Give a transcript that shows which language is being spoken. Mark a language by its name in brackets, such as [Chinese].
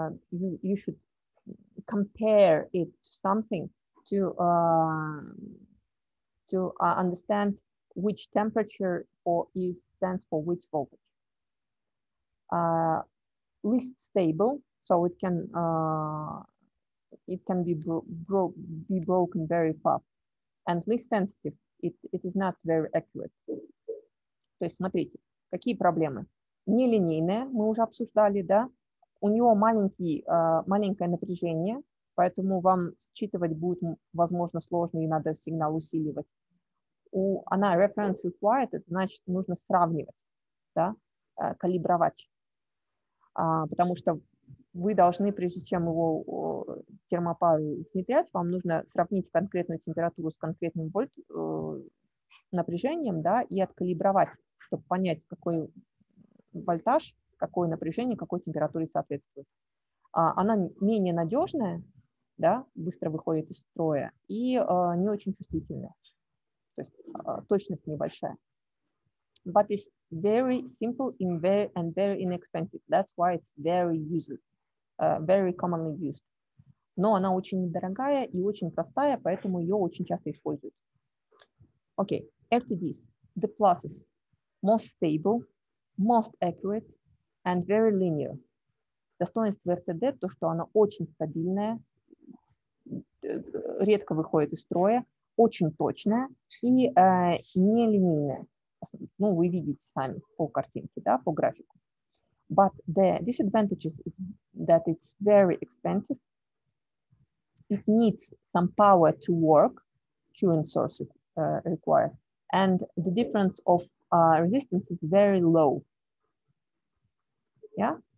[English] You should compare it to something to understand which temperature or is stands for which voltage. Least stable, so it can be broken very fast. And least sensitive, it is not very accurate. [Russian] То есть смотрите, какие проблемы. Нелинейная, мы уже обсуждали, да? У него маленькое напряжение, поэтому вам считывать будет, возможно, сложно, и надо сигнал усиливать. Она [English] reference required, [Russian] это значит, нужно сравнивать, да, калибровать. Потому что вы должны, прежде чем его термопару внедрять, вам нужно сравнить конкретную температуру с конкретным напряжением, да, и откалибровать, чтобы понять, какой вольтаж, какое напряжение, какой температуре соответствует. Она менее надежная, да, быстро выходит из строя, и не очень чувствительная. То есть точность небольшая. [English] But it's very simple and very inexpensive. That's why it's very used, very commonly used. [Russian] Но она очень недорогая и очень простая, поэтому ее очень часто используют. [English] Okay, RTDs, the pluses. Most stable, most accurate, and very linear. [Russian] Достоинство RTD, то, что она очень стабильная, редко выходит из строя, очень точная и нелинейная. Ну, вы видите сами по картинке, да, по графику. [English] But the disadvantages is that it's very expensive. It needs some power to work, current source required. And the difference of resistance is very low. Yeah?